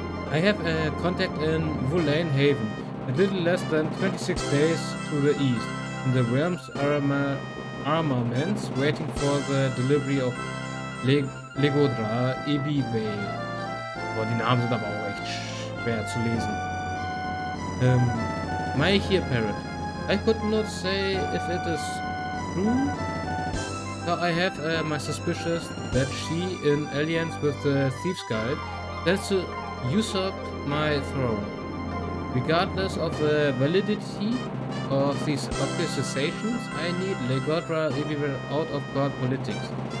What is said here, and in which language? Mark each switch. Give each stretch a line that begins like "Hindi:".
English: I have a contact in Vulane Haven. A little less than 26 days to the east, in the realm's armaments, waiting for the delivery of Legodra Ibi Bay.
German: Boah, die Namen sind aber auch echt schwer zu lesen.
English: My here parrot. I could not say if it is true, but I have my suspicions that she, in alliance with the thief's guide, plans to usurp my throne. Regardless of the validity of these accusations, I need Legodra Ibiwell out of court politics.